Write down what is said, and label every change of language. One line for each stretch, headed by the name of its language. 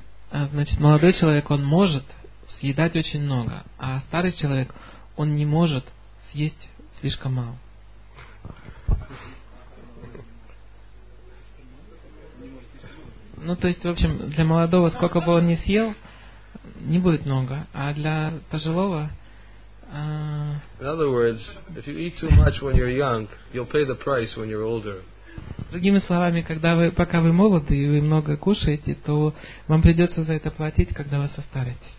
Russian: А, значит, молодой человек, он может съедать очень много, а старый человек, он не может съесть слишком мало. Ну, то есть, в общем, для молодого, сколько бы он ни съел, не будет много, а для пожилого...
English: In other words, if you eat too much when you're young, you'll pay the price when you're older.
Russian: Другими словами, когда вы пока вы молоды и вы много кушаете, то вам придется за это платить, когда вы состаритесь.